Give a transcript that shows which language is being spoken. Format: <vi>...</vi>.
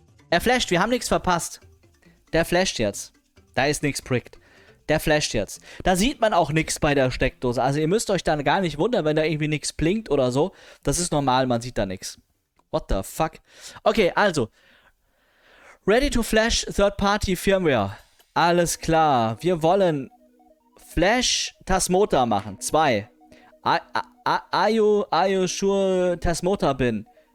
<de>Er flasht, wir haben nichts verpasst. Der flasht jetzt. Da ist nichts prickt. Der flasht jetzt. Da sieht man auch nichts bei der Steckdose. Also ihr müsst euch dann gar nicht wundern, wenn da irgendwie nichts blinkt oder so. Das ist normal, man sieht da nichts.</de> <en>What the fuck? Okay, also. Ready to flash third-party Firmware.</en> <de>Alles klar. Wir wollen Flash Tasmota machen. 2.</de> <en>Are you sure Tasmota bin?</en>